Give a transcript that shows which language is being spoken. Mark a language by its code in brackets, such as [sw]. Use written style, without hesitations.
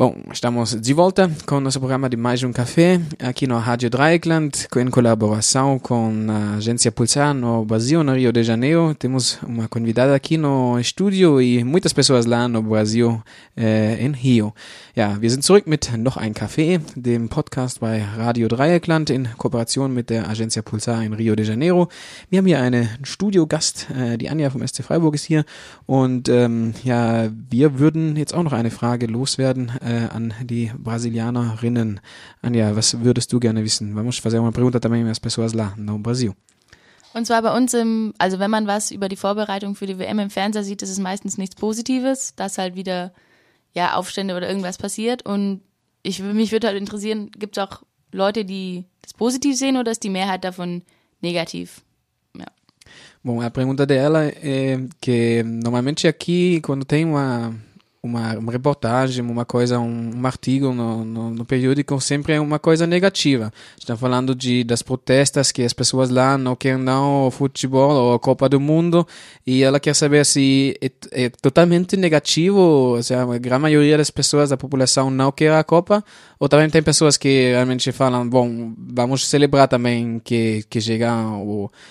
[pt] Estamos de volta com o nosso programa de Mais de um Café, aqui no Rádio Dreieckland, em colaboração com a agência Pulsar no Brasil, no Rio de Janeiro. Temos uma convidada aqui no estúdio e muitas pessoas lá no Brasil, em Rio. [de] Ja, wir sind zurück mit Noch ein Café, dem Podcast bei Radio Dreieckland in Kooperation mit der Agencia Pulsar in Rio de Janeiro. Wir haben hier einen Studiogast, die Anja vom SC Freiburg ist hier. Und ja, wir würden jetzt auch noch eine Frage loswerden an die Brasilianerinnen. [pt] Anja, [de] was würdest du gerne wissen? [pt] Vamos fazer uma pergunta também às pessoas lá no Brasil. [de] Und zwar bei uns im, also wenn man was über die Vorbereitung für die WM im Fernseher sieht, ist es meistens nichts Positives, dass halt wieder ja Aufstände oder irgendwas passiert. Und ich, mich würde halt interessieren, gibt es auch Leute, die das positiv sehen, oder ist die Mehrheit davon negativ? [pt] Bom, a pergunta dela é que normalmente aqui, quando tem uma reportagem, uma coisa, um artigo no periódico, sempre é uma coisa negativa. Estão falando das protestas, que as pessoas lá não querem dar o futebol ou a Copa do Mundo, e ela quer saber se é totalmente negativo, ou seja, a grande maioria das pessoas da população não quer a Copa, ou também tem pessoas que realmente falam, bom, vamos celebrar também que chega o...